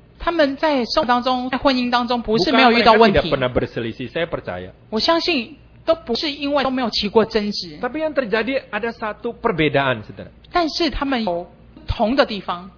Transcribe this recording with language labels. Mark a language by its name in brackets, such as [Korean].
[Chinese] 他们在生活当中，在婚姻当中，不是没有遇到问题。 [Indonesian] Bukan mereka tidak pernah berselisih, saya percaya. [Chinese] 我相信都不是因为都没有起过争执。 [Indonesian] Tapi yang terjadi ada satu perbedaan, saudara. [Chinese] 但是他们有不同的地方。